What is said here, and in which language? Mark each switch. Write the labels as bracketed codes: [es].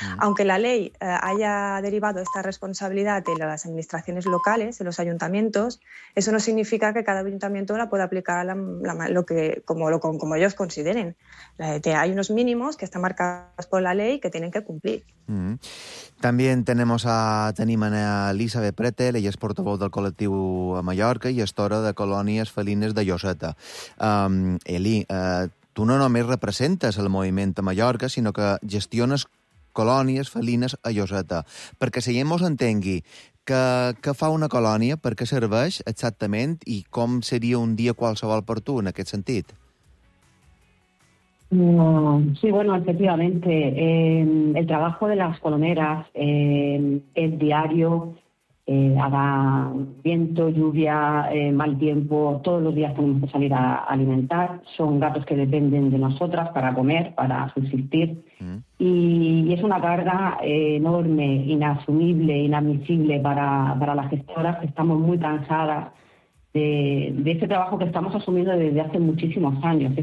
[es] Aunque la ley haya derivado esta responsabilidad de las administraciones locales, de los ayuntamientos, eso no significa que cada ayuntamiento la pueda aplicar como ellos consideren. Hay unos mínimos que están marcados por la ley que tienen que cumplir. [ca] También tenemos a Tenimane a Elisabet Pretel, ella és portavoz del col·lectiu a Mallorca i estora de colònies felines de Lloseta. Eli, tu no només representes el moviment a Mallorca, sinó que gestiones colònies felines a Lloseta. Perquè si ell mos entengui, què fa una colònia, per què serveix exactament i com seria un dia qualsevol per tu en aquest sentit? [es] Sí, bueno, efectivamente, el trabajo de las coloneras es diario, haga viento, lluvia, mal tiempo, todos los días tenemos que salir a alimentar, son gatos que dependen de nosotras para comer, para subsistir, y es una carga enorme, inasumible, inadmisible para las gestoras, que estamos muy cansadas de este trabajo que estamos asumiendo desde hace muchísimos años.